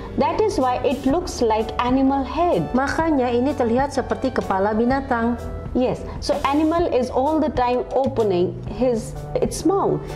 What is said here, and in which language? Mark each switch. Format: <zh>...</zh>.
<en>That is why it looks like animal head.</en> <id>Makanya ini terlihat seperti kepala binatang.</id> <en>Yes. So animal is all the time opening its mouth.</en>